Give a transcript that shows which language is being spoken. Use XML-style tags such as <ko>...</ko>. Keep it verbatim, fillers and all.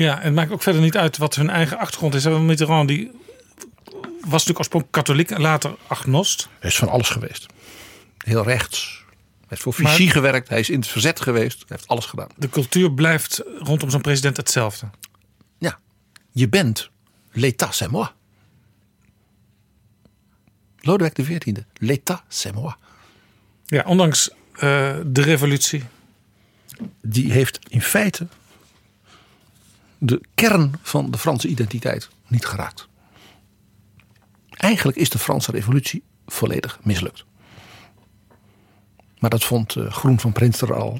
<nl>Ja, en het maakt ook verder niet uit wat hun eigen achtergrond is. Mitterrand die was natuurlijk oorspronkelijk katholiek en later agnost. Hij is van alles geweest. Heel rechts. Hij heeft voor Vichy maar, gewerkt, hij is in het verzet geweest. Hij heeft alles gedaan. De cultuur blijft rondom zo'n president hetzelfde. Ja, je bent</nl> <fr>l'état c'est moi.</fr> <nl>Lodewijk de veertiende,</nl> <fr>l'état c'est moi.</fr> <nl>Ja, ondanks uh, de revolutie. Die heeft in feite de kern van de Franse identiteit niet geraakt. Eigenlijk is de Franse revolutie volledig mislukt. Maar dat vond Groen van Prinster al.</nl>